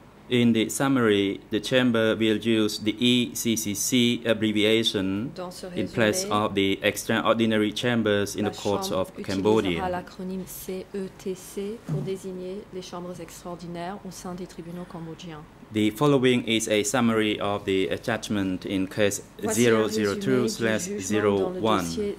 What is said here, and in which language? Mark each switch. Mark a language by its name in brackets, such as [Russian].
[English] In the summary, the chamber will use the ECCC abbreviation in place of the extraordinary chambers in the courts of Cambodia. [French] Utilisera l'acronyme CETC pour désigner les chambres extraordinaires au sein des tribunaux cambodgiens. [English] The following is a summary of the judgment in case 002/01.